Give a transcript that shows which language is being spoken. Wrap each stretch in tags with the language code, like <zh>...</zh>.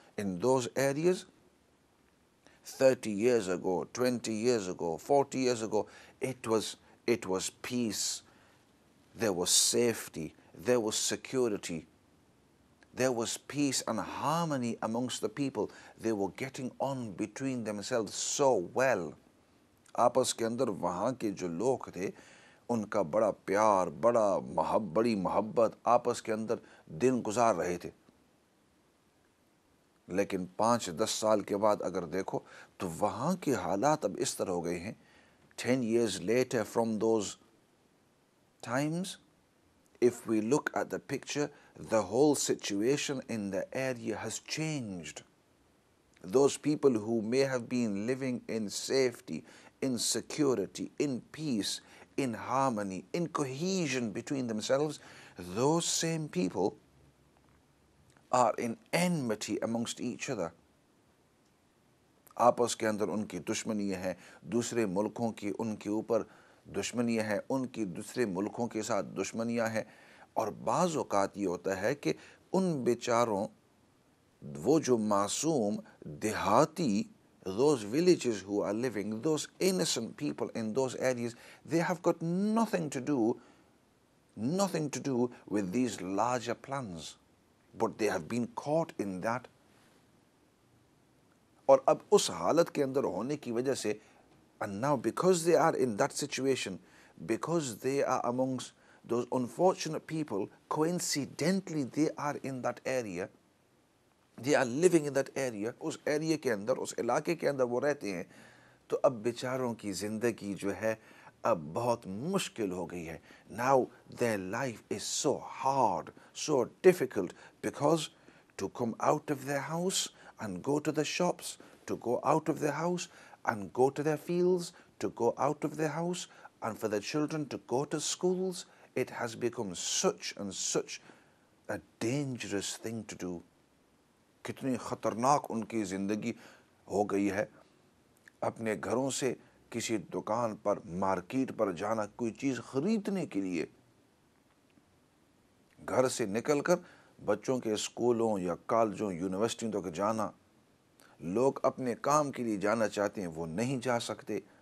<en>In those areas 30 years ago, 20 years ago, 40 years ago, it was peace. There was safety, there was security, there was peace and harmony amongst the people. They were getting on between themselves so well.</en> <ur>آپس کے اندر وہاں کے جو لوگ تھے ان کا بڑا پیار، بڑا محبت، بڑی محبت آپس کے اندر دن گزار رہے تھے. لیکن 5-10 سال کے بعد اگر دیکھو تو وہاں کے حالات اب اس طرح ہو گئے ہیں.</ur> <en>10 years later from those times, if we look at the picture, the whole situation in the area has changed. Those people who may have been living in safety, in security, in peace, in harmony, in cohesion between themselves, those same people are in enmity amongst each other.</en> <ur>آپس کے اندر ان کی دشمنی ہے، دوسرے ملکوں کی ان کے اوپر دشمنی ہے، ان کی دوسرے ملکوں کے ساتھ دشمنیاں ہیں. اور بعض اوقات یہ ہوتا ہے کہ ان بیچاروں، وہ جو معصوم دیہاتی،</ur> <en>those villages who are living, those innocent people in those areas, they have got nothing to do with these larger plans, but they have been caught in that.</en> <ur>اور اب اس حالت کے اندر ہونے کی وجہ سے,</ur> <en>and now because they are in that situation, because they are amongst those unfortunate people, coincidentally they are in that area,</en> <ur>they are living in that area, اس area کے اندر، اس علاقے کے اندر وہ رہتے ہیں، تو اب بیچاروں کی زندگی جو ہے اب بہت مشکل ہو گئی ہے.</ur> <en>Now their life is so hard, so difficult, because to come out of their house and go to the shops, to go out of their house and go to their fields, to go out of their house and for their children to go to schools, it has become such and such a dangerous thing to do.</en> <ur>کتنی خطرناک ان کی زندگی ہو گئی ہے. اپنے گھروں سے کسی دکان پر، مارکیٹ پر جانا کوئی چیز خریدنے کے لیے، گھر سے نکل کر بچوں کے اسکولوں یا کالجوں، یونیورسٹیوں تک جانا، لوگ اپنے کام کے لیے جانا چاہتے ہیں وہ نہیں جا سکتے،</ur>